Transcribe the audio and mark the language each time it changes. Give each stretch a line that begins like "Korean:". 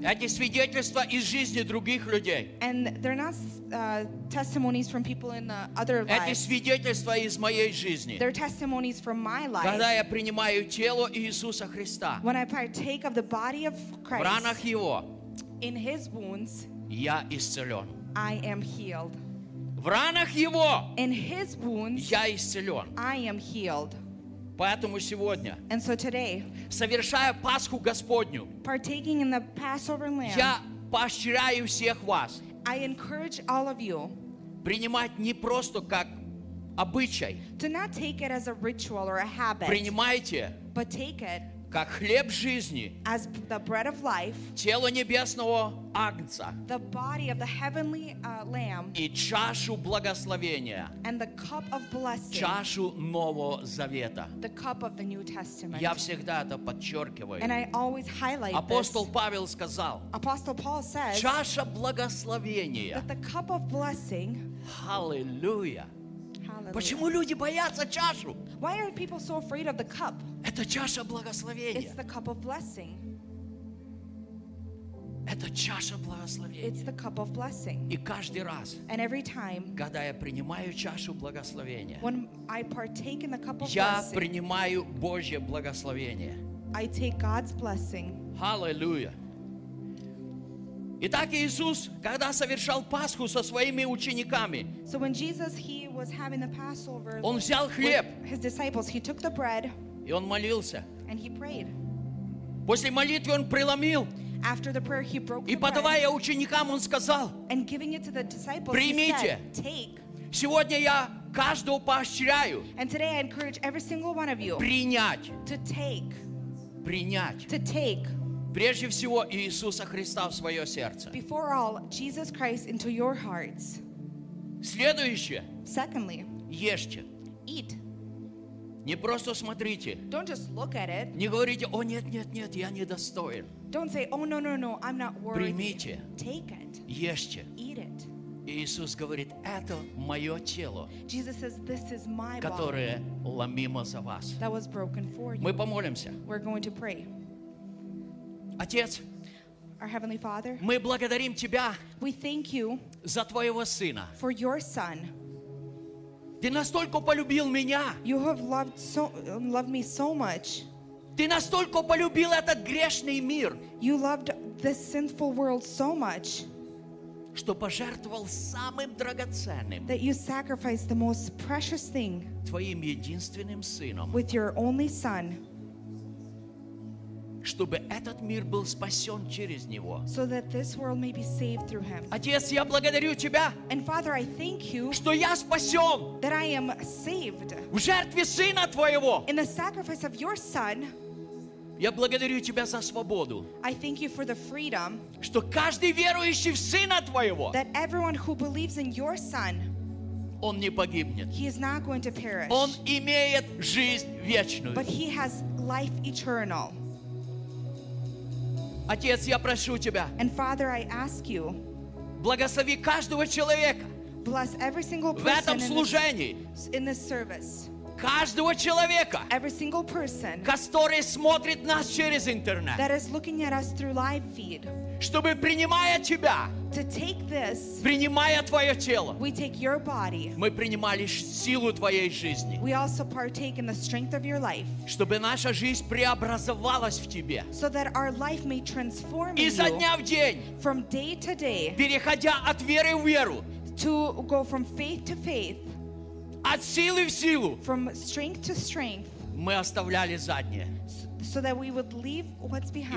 Russian: Эти свидетельства из жизни других людей.
English: And they're not testimonies from people in the other lives.
Russian: Эти свидетельства из моей жизни.
English: They're testimonies from my life.
Russian: Когда я принимаю тело Иисуса Христа.
English: When I partake of the body of Christ.
Russian: В ранах Его.
English: In His wounds.
Russian: Я исцелен.
English: I am healed.
Russian: В ранах Его.
English: In His wounds.
Russian: Я исцелен.
English: I am healed.
Russian: Поэтому сегодня.
English: And so today.
Russian: Совершая Пасху Господню.
English: Partaking in the Passover Lamb.
Russian: Я поощряю всех вас.
English: I encourage all of you.
Russian: Принимать не просто как обычай.
English: To not take it as a ritual or a habit.
Russian: Принимайте.
English: But take it.
Russian: как хлеб жизни,
English: as the bread of life,
Russian: тело небесного Агнца,
English: the body of the heavenly lamb,
Russian: и чашу благословения,
English: and the cup of blessing,
Russian: чашу Нового Завета.
English: The cup of the New Testament.
Russian: Я всегда это подчеркиваю.
English: And I always highlight
Russian: Апостол
English: this.
Russian: Павел сказал,
English: Apostle Paul says,
Russian: чаша благословения,
English: that the cup of blessing, Hallelujah.
Russian: Почему люди боятся чашу?
English: Why are people so afraid of the cup?
Russian: Это чаша благословения.
English: It's the cup of blessing.
Russian: Это чаша благословения.
English: It's the cup of blessing.
Russian: И каждый раз,
English: and every time,
Russian: когда я принимаю чашу благословения,
English: when I partake in the cup of
Russian: blessing, я принимаю Божье благословение.
English: I take God's blessing. Hallelujah.
Russian: Итак, Иисус, когда совершал Пасху со своими учениками,
English: so when Jesus, he was having the Passover,
Russian: Он взял хлеб,
English: with his disciples, he took the bread,
Russian: и Он молился.
English: And he prayed.
Russian: После молитвы Он преломил.
English: After the prayer, he broke
Russian: и подавая
English: the bread,
Russian: ученикам, Он сказал,
English: and giving it to the disciples,
Russian: примите,
English: he said, take.
Russian: Сегодня я каждого поощряю,
English: and today I encourage every single one of you,
Russian: принять,
English: to take,
Russian: принять,
English: to take.
Russian: Прежде всего, Иисуса Христа в свое сердце.
English: Before all, Jesus Christ into your hearts.
Russian: Следующее.
English: Secondly.
Russian: Ешьте.
English: Eat.
Russian: Не просто смотрите.
English: Don't just look at it.
Russian: Не говорите, о, нет, нет, нет, я недостоин.
English: Don't say, oh, no, no, no, I'm not worthy.
Russian: Примите.
English: Take it.
Russian: Ешьте.
English: Eat it.
Russian: Иисус говорит, это мое тело,
English: Jesus says, this is my body,
Russian: которое ломимо за вас.
English: That was broken for you.
Russian: Мы помолимся.
English: We're going to pray.
Russian: Отец,
English: our Heavenly Father,
Russian: мы благодарим Тебя,
English: we thank you,
Russian: за Твоего Сына.
English: For your son.
Russian: Ты настолько полюбил меня.
English: You have loved so, loved me so much.
Russian: Ты настолько полюбил этот грешный мир.
English: You loved this sinful world so much,
Russian: что пожертвовал самым драгоценным,
English: that you sacrificed the most precious thing,
Russian: Твоим единственным Сыном,
English: with your only Son,
Russian: чтобы этот мир был спасен через Него.
English: So that this world may be saved through Him.
Russian: Отец, я благодарю Тебя,
English: and Father, I thank you,
Russian: что я спасен,
English: that I am saved,
Russian: в жертве Сына Твоего.
English: In the sacrifice of your Son,
Russian: я благодарю Тебя за свободу,
English: I thank you for the freedom,
Russian: что каждый верующий в Сына Твоего,
English: that everyone who believes in your Son,
Russian: он не погибнет.
English: He is not going to perish.
Russian: Он имеет жизнь вечную.
English: But he has life eternal.
Russian: Отец, я прошу Тебя,
English: and Father, I ask you,
Russian: благослови каждого человека,
English: bless every single person,
Russian: в этом служении,
English: in this service,
Russian: каждого человека,
English: every single person,
Russian: который смотрит нас через интернет,
English: that is looking at us through live feed,
Russian: чтобы, принимая Тебя,
English: to take this,
Russian: принимая Твое тело,
English: we take your body,
Russian: мы принимали силу Твоей жизни,
English: we also partake in the strength of your life,
Russian: чтобы наша жизнь преобразовалась в Тебе,
English: so that our life may transform you,
Russian: изо дня в день,
English: from day to day,
Russian: переходя от веры в веру,
English: to go from faith to faith,
Russian: от силы в силу,
English: from strength to strength,
Russian: мы оставляли заднее,
English: so that we would leave what's behind,